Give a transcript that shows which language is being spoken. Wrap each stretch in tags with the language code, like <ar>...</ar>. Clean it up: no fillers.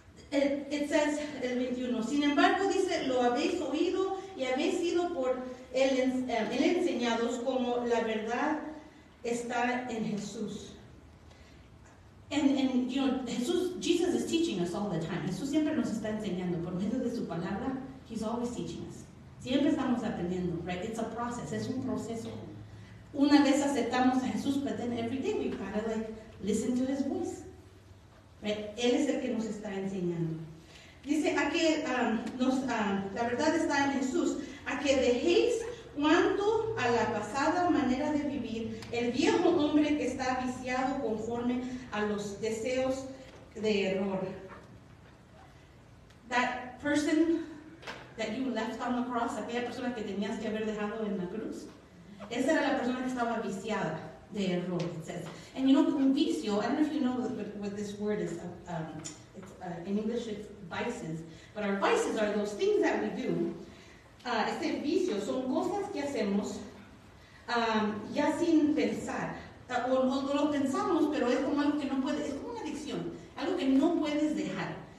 <en>It says,</en> <es>el 21, sin embargo, dice, lo habéis oído y habéis sido por él enseñados como la verdad está en Jesús.</es> <en>And you know, Jesus is teaching us all the time.</en> <es>Jesús siempre nos está enseñando por medio de su palabra.</es> <en>He's always teaching us.</en> <es>Siempre estamos aprendiendo,</es> <en>right? It's a process.</en> <es>Es un proceso. Una vez aceptamos a Jesús,</es> <en>but then every day we kind of like listen to his voice.</en> <es>Él es el que nos está enseñando. Dice, a que la verdad está en Jesús, a que dejéis cuanto a la pasada manera de vivir, el viejo hombre que está viciado conforme a los deseos de error.</es> <en>That person that you left on the cross,</en> <es>aquella persona que tenías que haber dejado en la cruz, esa era la persona que estaba viciada. De error,</es> <en>it says. And you know,</en> <es>un vicio,</es> <en>I don't know if you know what this word is. In English, it's vices. But our vices are those things that we do.</en> <es>Este vicio son cosas que hacemos ya sin pensar. O lo pensamos, pero es como algo que no puedes, es como una adicción. Algo que no puedes dejar.</es>